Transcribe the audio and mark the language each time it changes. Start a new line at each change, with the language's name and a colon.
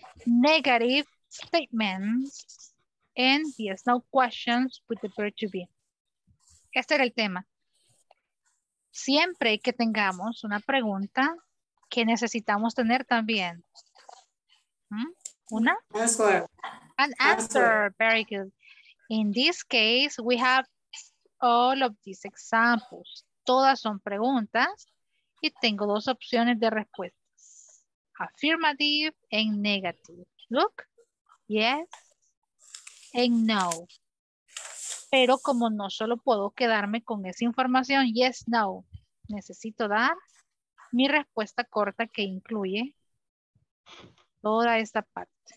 English: Negative statements and yes, no questions with the verb to be.
Spanish: Este era el tema. Siempre que tengamos una pregunta, ¿qué necesitamos tener también? ¿Una?
English: An answer. Very good. In this case, we have all of these examples.
Spanish: Todas son preguntas y tengo dos opciones de respuestas.
English: Affirmative and negative. Look, yes and no.
Spanish: Pero como no solo puedo quedarme con esa información,
English: yes, no,
Spanish: necesito dar mi respuesta corta que incluye toda esta parte.